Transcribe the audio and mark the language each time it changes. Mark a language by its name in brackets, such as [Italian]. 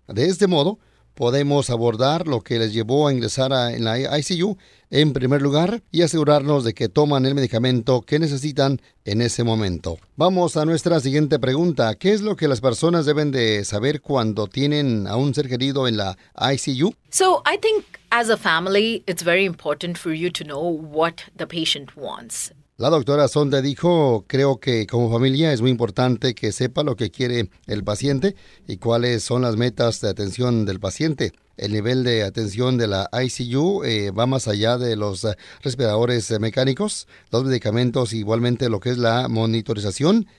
[Spanish] De este modo, podemos abordar lo que les llevó a ingresar en la ICU en primer lugar y asegurarnos de que toman el medicamento que necesitan en ese momento. Vamos a nuestra siguiente pregunta. ¿Qué es lo que las personas deben de saber cuando tienen a un ser querido en la ICU? [English] So, I think as a family, it's very important for you to know what the patient wants. [Spanish] La doctora Sonde dijo, creo que como familia es muy importante que sepa lo que quiere el paciente y cuáles son las metas de atención del paciente. El nivel de atención de la ICU va más allá de los respiradores mecánicos, los medicamentos, igualmente lo que es la monitorización.